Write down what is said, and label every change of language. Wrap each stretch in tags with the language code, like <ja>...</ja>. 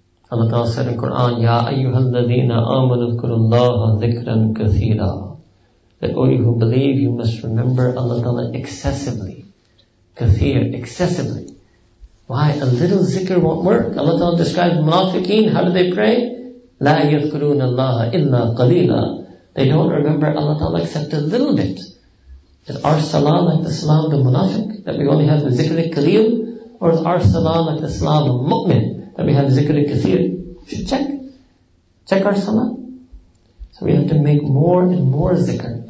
<en>Allah Ta'ala said in Qur'an,</en> <ar>يَا أَيُّهَا الَّذِينَ آمَنُوا اذْكُرُوا اللَّهَ ذِكْرًا كَثِيرًا.</ar> <en>That all you who believe, you must remember Allah Ta'ala excessively. Kathir, excessively. Why? A little zikr won't work. Allah Ta'ala describes munafiqeen, how do they pray?</en> <ar>لا يذكرون الله إلا قليلا.</ar> <en>They don't remember Allah Ta'ala except a little bit. Is our salah like the salah of the munafiq, that we only have the zikr al-kaleel? Or is our salah like the salah of the mu'min, that we have zikr al-kathir? Should check. Check our salah. So we have to make more and more zikr.</en>